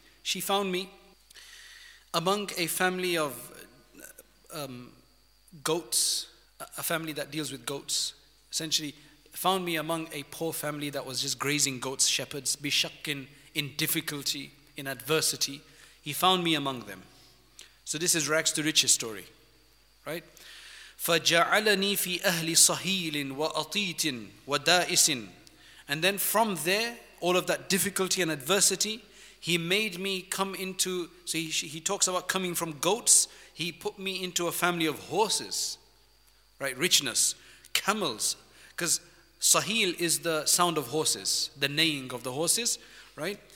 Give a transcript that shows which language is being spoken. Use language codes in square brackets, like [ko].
[en] She found me among a family of goats, a family that deals with goats, essentially found me among a poor family that was just grazing goats, shepherds, bishakkin, in difficulty, in adversity. He found me among them. So this is rags to riches story, right? [ar] فَجَعَلَنِي فِي أَهْلِ صَهِيلٍ وَأَطِيتٍ وَدَائِسٍ. [en] And then from there, all of that difficulty and adversity, he made me come into, so he talks about coming from goats, he put me into a family of horses, right, richness, camels, because Sahil is the sound of horses, the neighing of the horses, right?